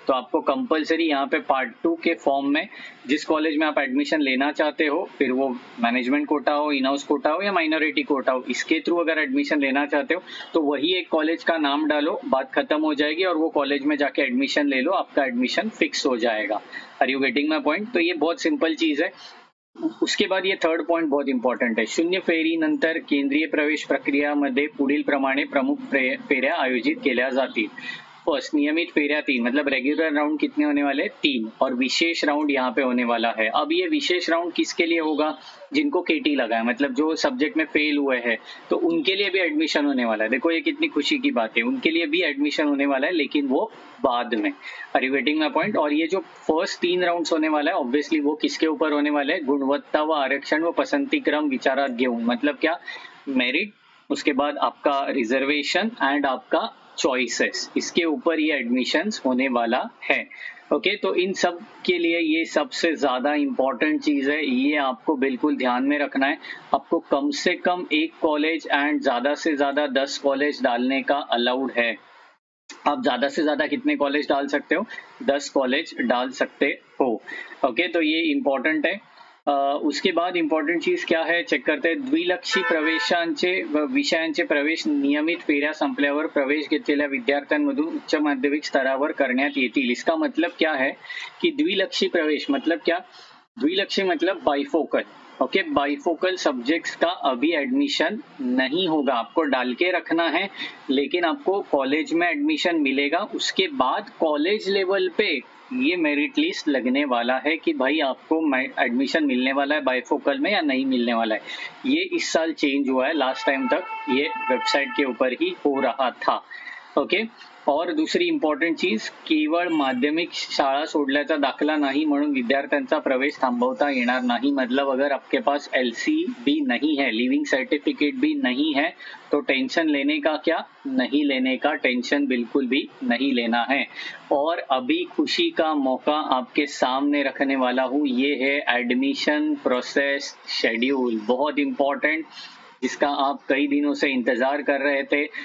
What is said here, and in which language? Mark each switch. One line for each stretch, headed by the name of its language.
Hindi: तो आपको कंपलसरी यहां पे पार्ट टू के फॉर्म में जिस कॉलेज में आप एडमिशन लेना चाहते हो फिर वो मैनेजमेंट कोटा हो इनहाउस कोटा हो या माइनॉरिटी कोटा हो इसके थ्रू अगर एडमिशन लेना चाहते हो तो वही एक कॉलेज का नाम डालो बात खत्म हो जाएगी और वो कॉलेज में जाके एडमिशन ले लो आपका एडमिशन फिक्स हो जाएगा।
English: Are you getting my point?
Hindi: तो ये बहुत सिंपल चीज है। उसके बाद ये थर्ड पॉइंट बहुत इंपॉर्टेंट है।
Marathi: शून्य फेरी नंतर केंद्रीय प्रवेश प्रक्रिया मध्ये पुढील प्रमाणे प्रमुख फेऱ्या आयोजित केल्या जातील।
Hindi: फर्स्ट नियमित फेरिया तीन मतलब रेगुलर राउंड कितने होने वाले तीन और विशेष राउंड यहाँ पे होने वाला है। अब ये विशेष राउंड किसके लिए होगा? जिनको केटी लगा है मतलब जो सब्जेक्ट में फेल हुए हैं तो उनके लिए भी एडमिशन होने वाला है। देखो ये कितनी खुशी की बात है उनके लिए भी एडमिशन होने वाला है लेकिन वो बाद में।
English: Are you getting my point?
Hindi: और ये जो फर्स्ट तीन राउंड्स होने वाला है ऑब्वियसली वो किसके ऊपर होने वाला है?
Marathi: गुणवत्ता व आरक्षण व पसंतिक्रम विचाराध्ययन
Hindi: मतलब क्या मेरिट उसके बाद आपका रिजर्वेशन एंड आपका चॉइसेस इसके ऊपर ये एडमिशंस होने वाला है। ओके तो इन सब के लिए ये सबसे ज्यादा इम्पॉर्टेंट चीज है ये आपको बिल्कुल ध्यान में रखना है। आपको कम से कम एक कॉलेज एंड ज्यादा से ज्यादा 10 कॉलेज डालने का अलाउड है। आप ज्यादा से ज्यादा कितने कॉलेज डाल सकते हो? 10 कॉलेज डाल सकते हो। ओके तो ये इम्पॉर्टेंट है। उसके बाद इम्पॉर्टेंट चीज क्या है चेक करते हैं।
Marathi: द्विलक्षी प्रवेशांचे विषयांचे प्रवेश नियमित फेऱ्या संपल्यावर प्रवेश घेतलेल्या विद्यार्थ्यांमधून उच्च माध्यमिक स्तरावर करण्यात येतील।
Hindi: इसका मतलब क्या है कि द्विलक्षी प्रवेश मतलब क्या? द्विलक्षी मतलब बाइफोकल। ओके बाइफोकल सब्जेक्ट्स का अभी एडमिशन नहीं होगा। आपको डाल के रखना है लेकिन आपको कॉलेज में एडमिशन मिलेगा उसके बाद कॉलेज लेवल पे ये मेरिट लिस्ट लगने वाला है कि भाई आपको एडमिशन मिलने वाला है बाइफोकल में या नहीं मिलने वाला है। ये इस साल चेंज हुआ है लास्ट टाइम तक ये वेबसाइट के ऊपर ही हो रहा था। ओके और दूसरी इम्पॉर्टेंट चीज
Marathi: केवळ माध्यमिक शाळा सोडल्याचा दाखला नाही म्हणून विद्यार्थ्यांचा प्रवेश थांबवता येणार नाही।
Hindi: मतलब अगर आपके पास LC भी नहीं है लिविंग सर्टिफिकेट भी नहीं है तो टेंशन लेने का क्या नहीं लेने का टेंशन बिल्कुल भी नहीं लेना है। और अभी खुशी का मौका आपके सामने रखने वाला हूँ ये है एडमिशन प्रोसेस शेड्यूल बहुत इम्पॉर्टेंट जिसका आप कई दिनों से इंतजार कर रहे थे।